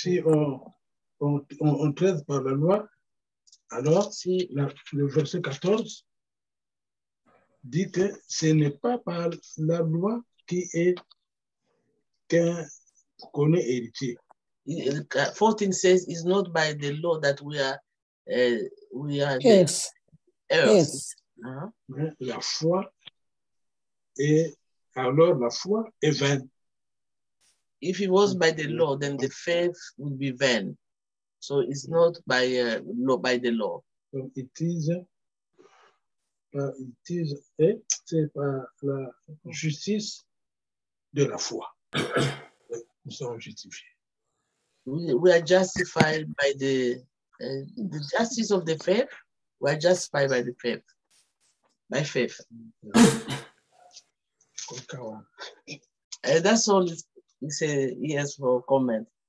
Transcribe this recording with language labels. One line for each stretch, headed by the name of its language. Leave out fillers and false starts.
French: Si on traite par la loi, alors si le verset 14 dit que ce n'est pas par la loi qu'on est héritier.
English: 14 says it's not by the law that we are yes. Yes.
French: La foi est alors la foi est vaine.
English: If it was by the law, then the faith would be vain. So it's not by the law. So it is
French: c'est par la justice de la foi. Nous sommes justifiés.
English: We are justified by the justice of the faith. We are justified by the faith. By faith. That's all he said, yes, for comment.